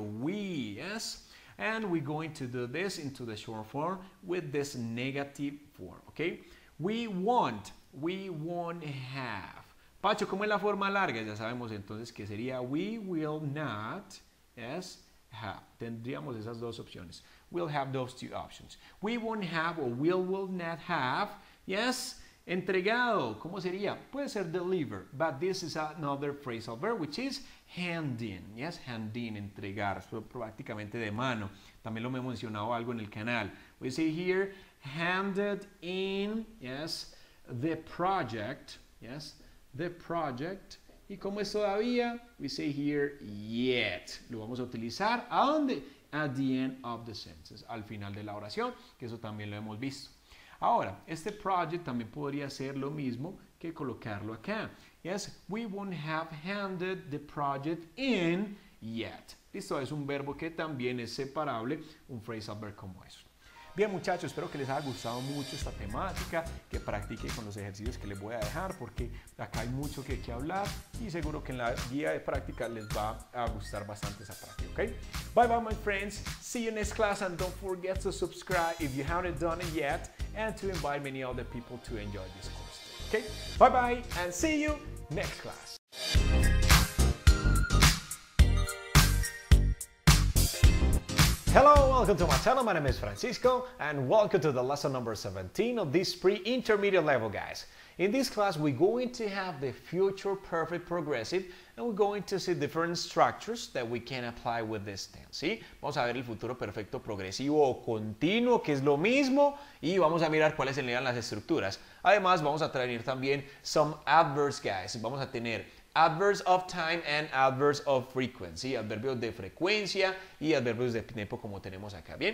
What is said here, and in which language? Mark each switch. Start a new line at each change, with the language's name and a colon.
English: We, yes. And we're going to do this into the short form with this negative form, okay? We won't have.
Spanish: Pacho, ¿cómo es la forma larga? Ya sabemos entonces que sería
English: we will not, yes, have.
Spanish: Tendríamos esas dos opciones.
English: We'll have those two options. We won't have or we will not have, yes, entregado.
Spanish: ¿Cómo sería? Puede ser
English: deliver, but this is another phrasal verb, which is handing, yes, handing, entregar, so,
Spanish: prácticamente de mano. También lo he mencionado algo en el canal.
English: We see here, handed in, yes, the project, yes, the project.
Spanish: ¿Y cómo es todavía?
English: We say here, yet.
Spanish: Lo vamos a utilizar, ¿a dónde?
English: At the end of the sentence,
Spanish: al final de la oración, que eso también lo hemos visto. Ahora, este project también podría ser lo mismo que colocarlo acá.
English: Yes, we won't have handed the project in yet.
Spanish: Listo, es un verbo que también es separable, un phrasal verb como eso. Bien, muchachos, espero que les haya gustado mucho esta temática, que practiquen con los ejercicios que les voy a dejar, porque acá hay mucho que hablar y seguro que en la guía de práctica les va a gustar bastante esa práctica, ¿ok?
English: Bye, bye, my friends. See you next class and don't forget to subscribe if you haven't done it yet and to invite many other people to enjoy this course. Okay, bye-bye and see you next class. Hello, welcome to my channel. My name is Francisco and welcome to the lesson number 17 of this pre-intermediate level, guys. In this class, we're going to have the future perfect progressive and we're going to see different structures that we can apply with this tense.
Spanish: ¿Sí? Vamos a ver el futuro perfecto progresivo o continuo, que es lo mismo, y vamos a mirar cuáles serían las estructuras. Además, vamos a traer también
English: some adverbs, guys.
Spanish: Vamos a tener
English: adverbs of time and adverbs of frequency,
Spanish: adverbios de frecuencia y adverbios de tiempo como tenemos acá, ¿bien?